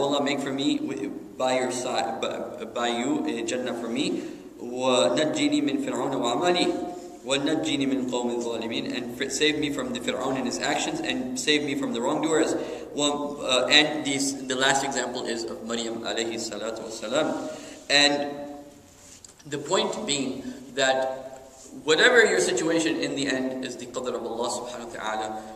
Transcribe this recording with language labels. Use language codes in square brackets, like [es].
[en] Oh Allah, make for me by your side, by you a Jannah for me. [ar] ونجني من فرعون وعملي ونجني من قوم الظالمين. [en] And save me from the Fir'aun and his actions, and save me from the wrongdoers. And these, the last example is of Maryam alayhi salatu wasalam. And the point being that whatever your situation in the end is the qadr of Allah subhanahu wa ta'ala.